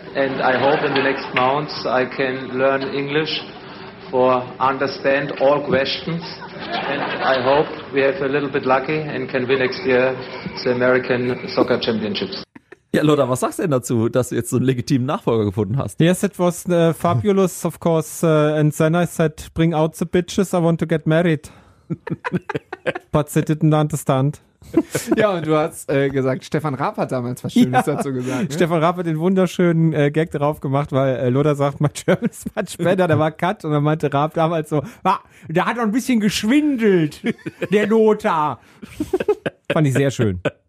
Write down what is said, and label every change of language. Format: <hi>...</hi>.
<en>And I hope in the next months I can learn English or understand all questions. And I hope we have a little bit lucky and can win next year the American Soccer Championships.</en> <de>Ja, Lothar, was sagst du denn dazu, dass du jetzt so einen legitimen Nachfolger gefunden hast?</de> <en>Yes, it was fabulous, of course. And then I said, bring out the bitches, I want to get married. But they didn't understand.</en> <de>Ja, und du hast gesagt, Stefan Raab hat damals was Schönes dazu gesagt. Ne? Stefan Raab hat den wunderschönen Gag drauf gemacht, weil Lothar sagt, mein German ist</de> <en>much better,</en> <de>der war cut. Und dann meinte Raab damals so, der hat doch ein bisschen geschwindelt, der Lothar. Fand ich sehr schön.</de>